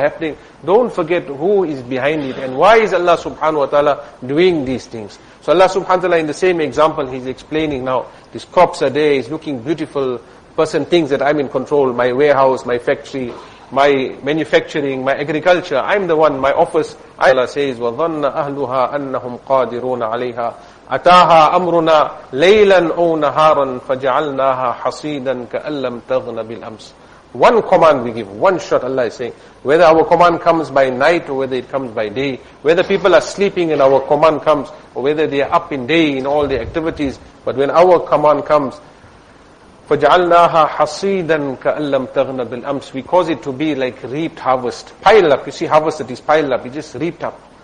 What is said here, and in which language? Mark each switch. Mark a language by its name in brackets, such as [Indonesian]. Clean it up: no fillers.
[English] happening, don't forget who is behind it and why is Allah subhanahu wa ta'ala doing these things. So Allah subhanahu wa ta'ala, in the same example, he's explaining now, these crops are there, it's looking beautiful. Person thinks that I'm in control, my warehouse, my factory, my manufacturing, my agriculture, I'm the one, my office. Allah says, [Arabic] وَظَنَّ أَهْلُهَا أَنَّهُمْ قَادِرُونَ عَلَيْهَا أَتَاهَا أَمْرُنَا لَيْلًا أَوْ نَهَارًا فَجَعَلْنَاهَا حَصِيدًا كَأَن لَّمْ تَغْنَ بِالْأَمْسِ. [English] One command we give, one shot, Allah is saying, whether our command comes by night or whether it comes by day, whether people are sleeping and our command comes, or whether they are up in day in all the activities, but when our command comes, [Arabic] فَجَعَلْنَاهَا حَصِيدًا كَأَن لَّمْ تَغْنَ بِالْأَمْسِ, [English] we cause it to be like reaped harvest, piled up. You see harvest that is piled up, it's just reaped up.